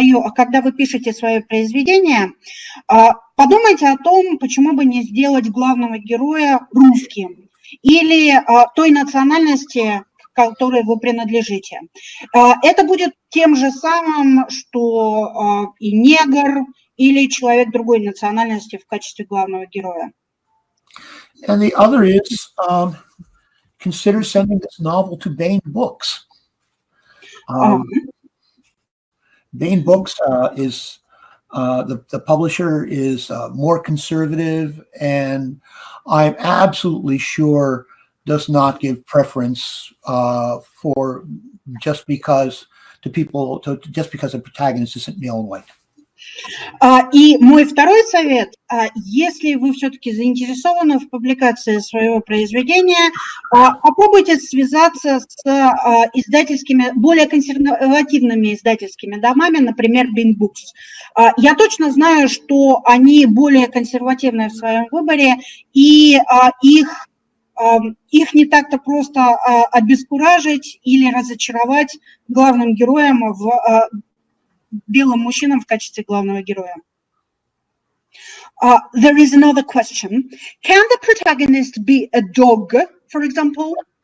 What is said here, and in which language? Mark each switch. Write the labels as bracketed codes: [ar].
[ru] Когда вы пишете свое произведение, подумайте о том, почему бы не сделать главного героя русским или той национальности, которой вы принадлежите. Это будет тем же самым, что и негр, или человек другой национальности в качестве главного героя. [en] And the other is, consider sending this novel to Bain Books. Bain Books is the publisher is more conservative and I'm absolutely sure does not give preference for just because to people to just because the protagonist isn't male and white. [ru] И мой второй совет, если вы все-таки заинтересованы в публикации своего произведения, попробуйте связаться с издательскими, более консервативными издательскими домами, например, Bing Books. Я точно знаю, что они более консервативны в своем выборе, и их не так-то просто обескуражить или разочаровать главным героем в белым мужчинам в качестве главного героя. [en] There is another question. Can the protagonist be a dog, for example?